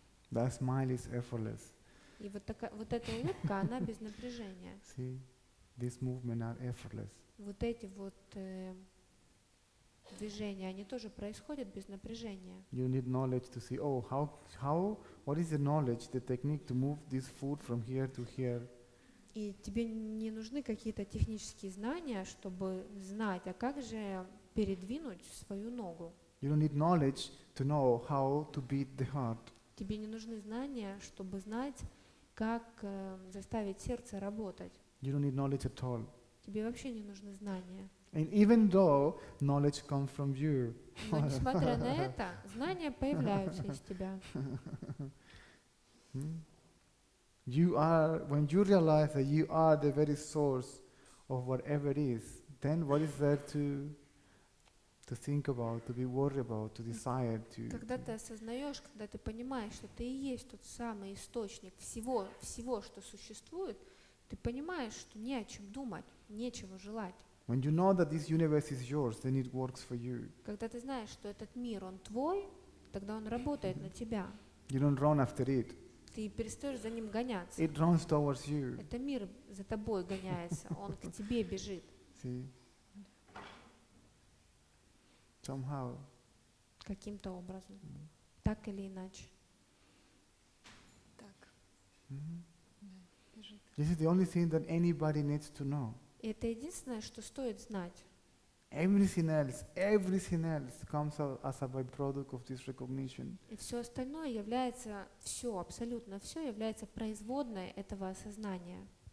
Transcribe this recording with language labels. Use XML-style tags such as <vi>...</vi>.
<en>That smile is effortless.</en> <ru>И вот такая, вот эта улыбка, она без напряжения.</ru> <en>See, this movement are effortless.</en> <ru>Вот эти вот движения, они тоже происходят без напряжения.</ru> <en>You need knowledge to see. Oh, how? What is the knowledge, the technique to move this foot from here to here?</en> <ru>И тебе не нужны какие-то технические знания, чтобы знать, а как же передвинуть свою ногу.</ru> <en>You don't need knowledge to know how to beat the heart.</en> <ru>Тебе не нужны знания, чтобы знать, как заставить сердце работать.</ru> <en>You don't need knowledge at all.</en> <ru>Тебе вообще не нужны знания.</ru> <en>And even though knowledge comes from you.</en> <ru>Но несмотря на это, знания появляются из тебя.</ru> <en>You are when you realize that you are the very source of whatever it is, then what is there to think about, to be worried about, to desire to.</en> <ru>Когда ты осознаешь, когда ты понимаешь, что ты и есть тот самый источник всего, что существует, Ты понимаешь, что не о чем думать, нечего желать.</ru> <en>When you know that this universe is yours, then it works for you.</en> <ru>Когда ты знаешь, что этот мир, он твой, тогда он работает на тебя.</ru> <en>You don't run after it.</en> <ru>Ты перестаешь за ним гоняться.</ru> <en>It runs towards you.</en> <ru>Это мир за тобой гоняется, он к тебе бежит.</ru> <en>See? Somehow.</en> <ru>Каким-то образом. Mm-hmm. Так или иначе. Так. Mm-hmm.</ru> <en>This is the only thing that anybody needs to know.</en> <ru>Это единственное, что стоит знать.</ru> <en>Everything else comes as a byproduct of this recognition.</en> <ru>И все остальное является, все, абсолютно все является производной этого осознания.</ru>